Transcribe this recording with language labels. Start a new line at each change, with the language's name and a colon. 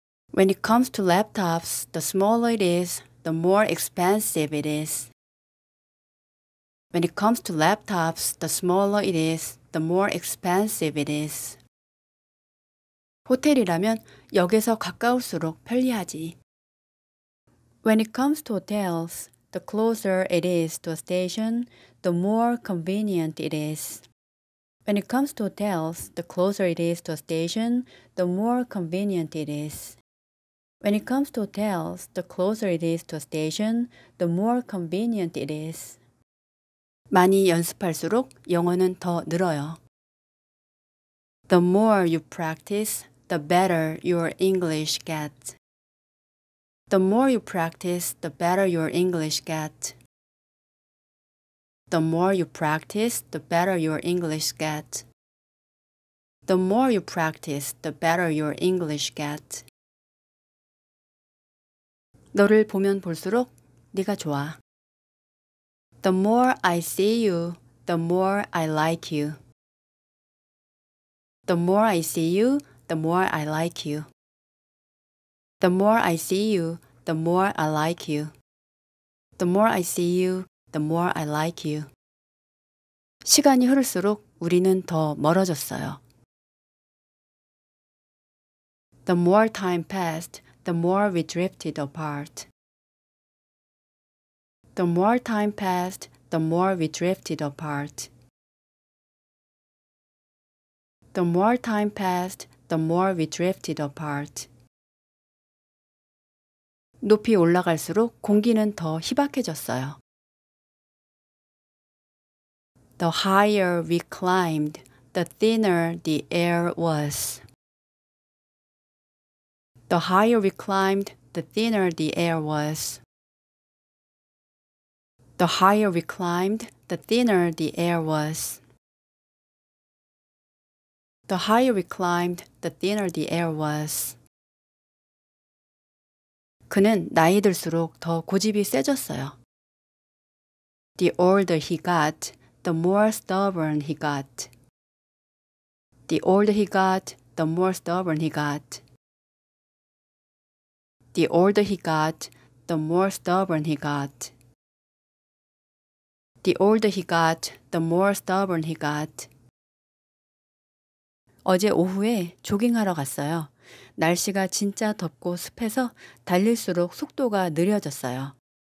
English: When it comes to laptops, the smaller it is, the more expensive it is. When it comes to laptops, the smaller it is, the more expensive it is.
Korean: 호텔이라면 역에서 가까울수록 편리하지.
English: When it comes to hotels, the closer it is to a station, the more convenient it is. When it comes to hotels, the closer it is to a station, the more convenient it is. When it comes to hotels, the closer it is to a station, the more convenient it is.
Korean: 많이 연습할수록 영어는 더 늘어요.
English: The more you practice, the better your English gets. The more you practice, the better your English gets. The more you practice, the better your English gets. The more you practice, the better your English gets.
Korean: 너를 보면 볼수록 네가 좋아.
English: The more I see you, the more I like you. The more I see you, the more I like you. The more I see you, the more I like you. The more I see you, the more I like you.
Korean: 시간이 흐를수록 우리는 더 멀어졌어요.
English: The more time passed, the more we drifted apart. The more time passed, the more we drifted apart. The more time passed, the more we drifted apart.
Korean: 높이 올라갈수록 공기는 더 희박해졌어요.
English: The higher we climbed, the thinner the air was. The higher we climbed, the thinner the air was. The higher we climbed, the thinner the air was. The higher we climbed, the thinner the air was.
Korean: 그는 나이 들수록 더 고집이 세졌어요.
English: The older he got, the more stubborn he got. The older he got, the more stubborn he got. The older he got, the more stubborn he got. The older he got, the more stubborn he got.
Korean: 어제 오후에 조깅하러 갔어요. 날씨가 진짜 덥고 습해서 달릴수록 속도가 느려졌어요.